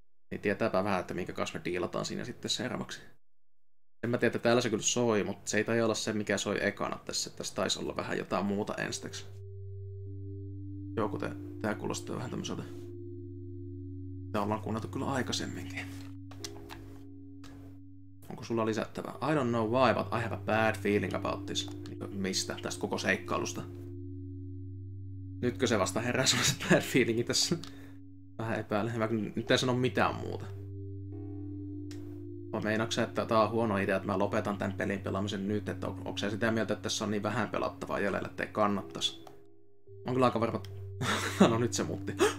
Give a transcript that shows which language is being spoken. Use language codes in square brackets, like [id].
[fi] Niin tietääpä vähän, että minkä kanssa me diilataan siinä sitten seuraavaksi. En mä tiedä, että täällä se kyllä soi, mutta se ei tai olla se, mikä soi ekana tässä. Tässä taisi olla vähän jotain muuta ensiksi. Joo, kuten tää kuulostaa vähän tämmöiseltä. Tää ollaan kuunneltu kyllä aikaisemminkin. Onko sulla lisättävää? [en] I don't know why, but I have a bad feeling about this. [fi] Mistä? Tästä koko seikkailusta. Nytkö se vasta herää sulla se bad feelingi tässä? Vähän epäilen. Mä nyt en sano mitään muuta. Vai meinaatko sä, että tää on huono idea, että mä lopetan tän pelin pelaamisen nyt? Että onko sä sitä mieltä, että tässä on niin vähän pelattavaa jäljellä, ettei kannattais? On kyllä aika varma... No nyt se muutti.